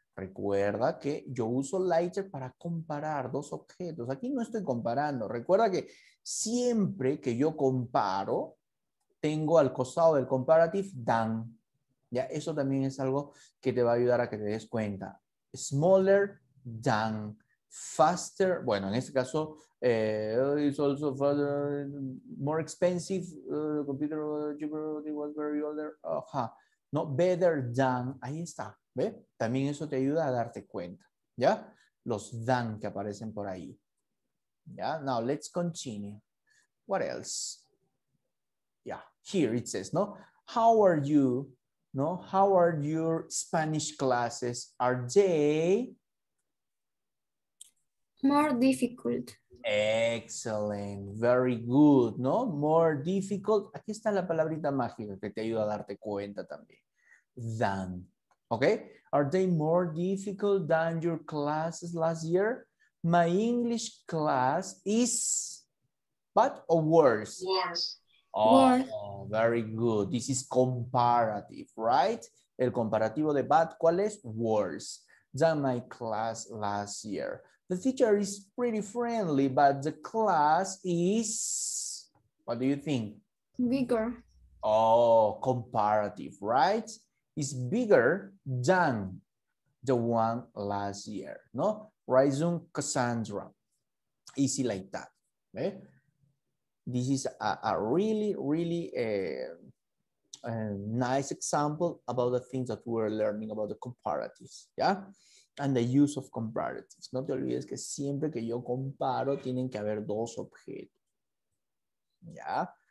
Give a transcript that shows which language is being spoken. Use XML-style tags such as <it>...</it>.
<es>Recuerda que yo uso lighter para comparar dos objetos. Aquí no estoy comparando. Recuerda que siempre que yo comparo, tengo al costado del comparative than. Ya, eso también es algo que te va a ayudar a que te des cuenta.</es> <en>Smaller than, faster,</en> <es>bueno, en este caso,</es> <en>it's also further, more expensive, the computer was very older, no, better than,</en> <es>ahí está,</es> <en>¿ve?</en> <es>También eso te ayuda a darte cuenta, ¿ya? Los than que aparecen por ahí. Ya,</es> <en>now let's continue. What else? Yeah, here it says, ¿no? How are you? No, how are your Spanish classes? Are they more difficult? Excellent, very good, no? More difficult.</en> <es>Aquí está la palabrita mágica que te ayuda a darte cuenta también.</es> <en>Than. Okay? Are they more difficult than your classes last year? My English class is but or worse? Worse. Oh, very good. This is comparative, right?</en> <es>El comparativo de bad, ¿cuál es?</es> <en>Worse than my class last year. The teacher is pretty friendly, but the class is, what do you think? Bigger. Oh, comparative, right? It's bigger than the one last year, no? Raisum Cassandra. Easy like that, okay? This is a really, really a nice example about the things that we're learning about the comparatives, yeah? And the use of comparatives.</en> <es>No te olvides que siempre que yo comparo, tienen que haber dos objetos, yeah?</es>